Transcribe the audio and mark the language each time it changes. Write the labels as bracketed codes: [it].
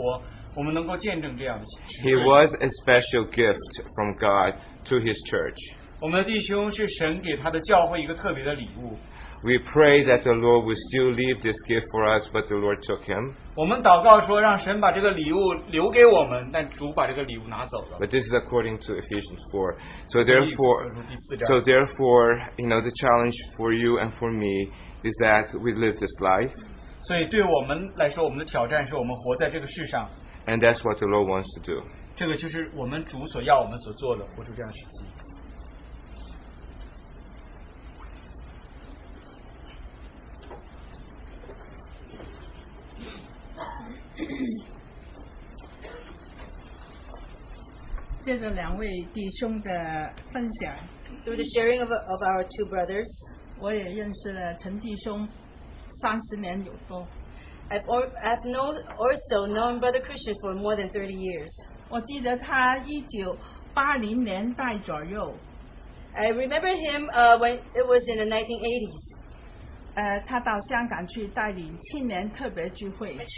[zh] 现在我们就是应当来寻求主，我们能够活出这样的生活，我们能够见证这样的。 [en] He was a special gift from God to His church. [zh] 我们的弟兄是神给他的教会一个特别的礼物。 [en] We pray that the Lord will still leave this gift for us, but the Lord took him. [zh] 我们祷告说让神把这个礼物留给我们，但主把这个礼物拿走了。 [en] But this is according to Ephesians 4. So therefore, you know, the challenge for you and for me is that we live this life. [zh] 所以对我们来说，我们的挑战是我们活在这个世上。 [en] And that's what the Lord wants to do. [zh] 这个就是我们主所要我们所做的，活出这样的实际。借着两位弟兄的分享, [en] through the sharing of our two brothers, [zh] 我也认识了陈弟兄, [en] I've known Brother Christian for more than 30 years. [zh] 我记得他1980年代左右, [en] I remember him when it was in the 1980s. [zh] 他到香港去带领青年特别聚会。